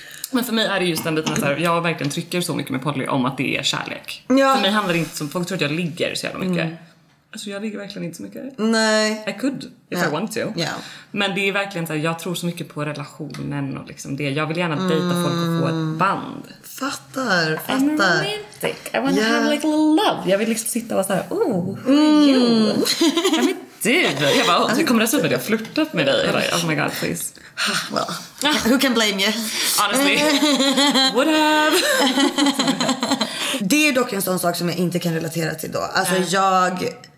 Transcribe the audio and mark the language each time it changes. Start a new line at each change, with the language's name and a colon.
Swedish: Men för mig är det just den biten här, jag verkligen trycker så mycket med Polly om att det är kärlek. Ja. För mig handlar det inte som, folk tror att jag ligger så jävla mycket. Alltså jag ligger verkligen inte så mycket. Nej.
English: I could, if I want to. Yeah.
Swedish: Men det är verkligen så här, jag tror så mycket på relationen och liksom det. Jag vill gärna dejta folk och få ett band. Fattar.
English: I'm romantic, I want to have like a little love.
Swedish: Jag vill liksom sitta och vara såhär, du, jag bara, du kommer att se att jag har flirtat med dig. Like, oh my god, please. Well, who can blame you? Honestly. What up? Det är dock en sån sak som jag inte kan relatera till då. Alltså jag...